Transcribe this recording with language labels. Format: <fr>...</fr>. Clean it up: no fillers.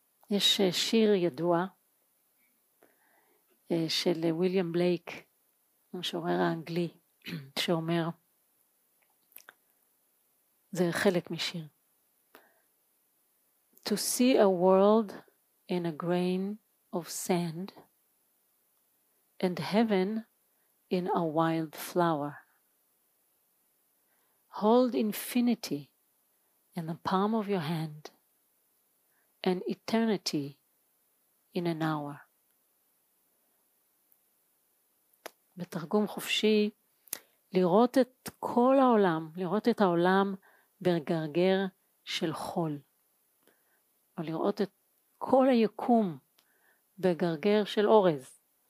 <he>יש שיר ידוע של ויליאם בלייק, המשורר האנגלי, שאומר, זה חלק משיר.</he> <en>To see a world in a grain of sand and heaven in a wild flower. Hold infinity in the palm of your hand and eternity in an hour.</en> <he>בתרגום חופשי, לראות את כל העולם, לראות את העולם בגרגר של חול. או לראות את כל היקום בגרגר של אורז.</he>